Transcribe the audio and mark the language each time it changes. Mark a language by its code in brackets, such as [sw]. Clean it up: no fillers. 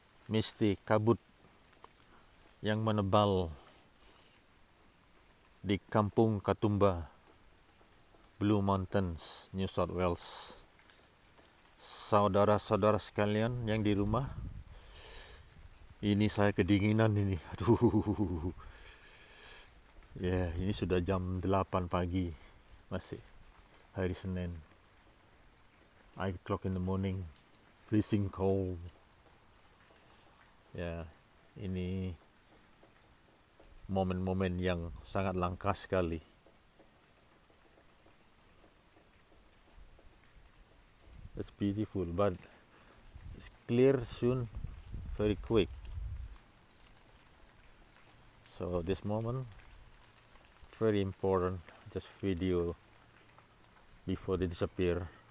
[id] Misti, kabut yang menebal di Kampung Katumba, Blue Mountains, New South Wales. Saudara-saudara sekalian yang di rumah, ini saya kedinginan ini. Aduh. Ini sudah jam 8 pagi, masih hari Senin. [en] 8 o'clock in the morning, freezing cold. [id] Ini momen-momen yang sangat langka sekali. [en] It's beautiful, but it's clear soon, very quick. So this moment, very important, just video before they disappear.